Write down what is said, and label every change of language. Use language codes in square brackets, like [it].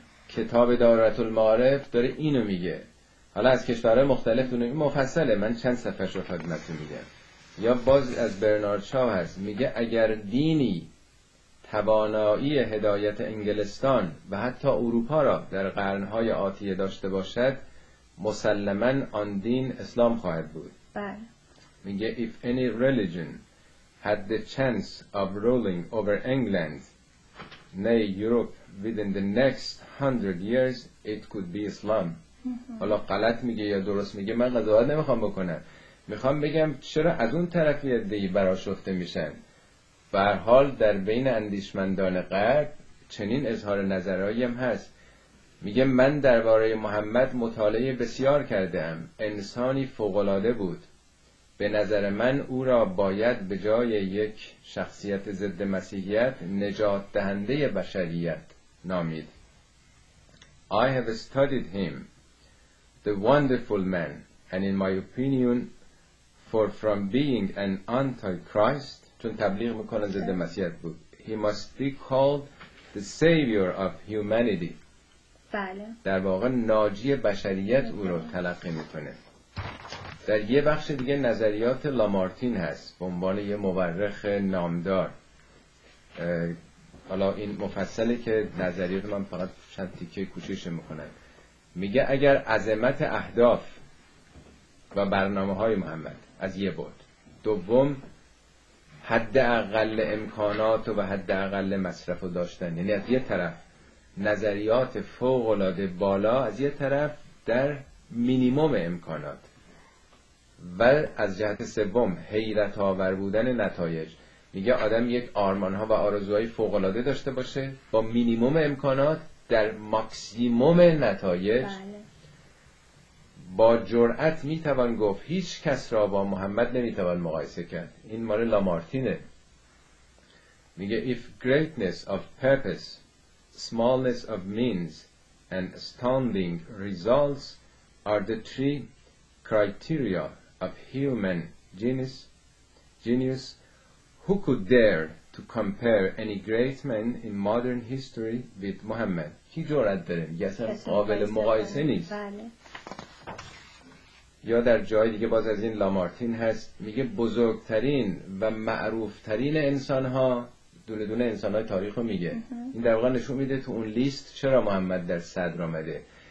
[fa] کتاب دارت المعارف داره اینو میگه. حالا از کشورهای مختلف اون مفصله، من چند صفحه رو خدمتتون میگم. یا باز از برنارد شاو هست، میگه اگر دینی توانایی هدایت انگلستان و حتی اروپا را در قرن‌های آتی داشته باشد، مسلماً آن دین اسلام خواهد بود. بله. میگه [en] if any religion had the chance of ruling over England nay Europe within the next 100 years it could be Islam. [fa] حالا غلط میگه یا درست میگه من قضاوت نمیخوام بکنم، میخوام بگم چرا از اون طرف یه عده براشفته میشن. به هر حال در بین اندیشمندان غرب چنین اظهار نظرهایی هم هست. میگه من درباره محمد مطالعه بسیار کردم، انسانی فوق‌العاده بود، به نظر من او را باید به جای یک شخصیت ضد مسیحیت نجات دهنده بشریت نامید. [en] I have studied him, the wonderful man, and in my opinion, for from being an anti-Christ, [fa] چون تبلیغ میکنه ضد مسیحیت بود، [en] he must be called the savior of humanity. [fa] بله. در واقع ناجی بشریت او رو تلقی میکنه. در یه بخش دیگه نظریات لامارتین هست به عنوان یه مورخ نامدار. حالا این مفصله که نظریات من فقط چند تیکه کوچیکش میکنم. میگه اگر عظمت اهداف و برنامه های محمد از یه بود، دوم حد اقل امکانات و حد اقل مصرف رو داشتن، یعنی از یه طرف نظریات فوق العاده بالا، از یه طرف در مینیمم امکانات، و از جهت سوم حیرت آور بودن نتایج. میگه آدم یک آرمان ها و آرزوهای فوق العاده داشته باشه با مینیمم امکانات در ماکسیموم نتایج. بله. با جرأت میتوان گفت هیچ کس را با محمد نمیتوان مقایسه کرد. این مال لامارتینه. میگه [en] if greatness of purpose, smallness of means and astounding results are the three criteria of human genius, who could dare to compare any great man in modern history with Muhammad? [fa] کی جرأت داره؟ یه اصلا قابل مقایسه نیست. بله. یا در جای دیگه باز از این لامارتین هست، میگه بزرگترین و معروفترین انسانها، دونه دونه انسانهای تاریخ رو میگه. این در واقع نشون میده تو اون لیست چرا محمد در صدر آمده.